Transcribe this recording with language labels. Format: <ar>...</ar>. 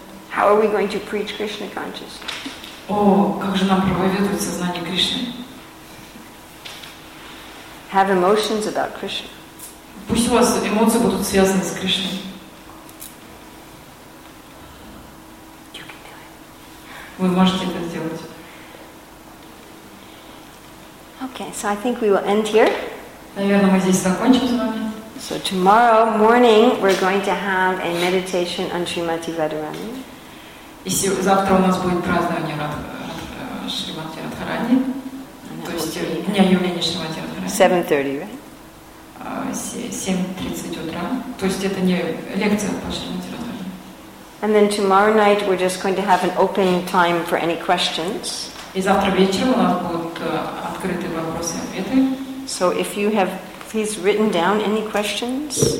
<en>How are we going to preach Krishna consciousness?</en> <ru>О, как же нам проповедовать сознание Кришны?</ru> <en>Have emotions about Krishna.</en> <ru>Пусть у вас эмоции будут связаны с Кришной. Вы можете это сделать.</ru> <en>Okay, so I think we will end here.</en> <ru>Наверное, мы здесь закончим с вами.</ru> <en>So tomorrow morning we're going to have a meditation on Srimati Radharani.</en> <ru>И завтра у нас будет празднование Шримати Радхарани. То есть дня явления Шримати Радхарани.</ru> <en>7:30, right?</en> <ru>7:30 утра. То есть это не лекция по Шримати Радхарани.</ru> <en>And then tomorrow night we're just going to have an open time for any questions.</en> <ru>И завтра вечером у нас будут открытые вопросы и ответы.</ru> <en>So if you have, please written down any questions.</en>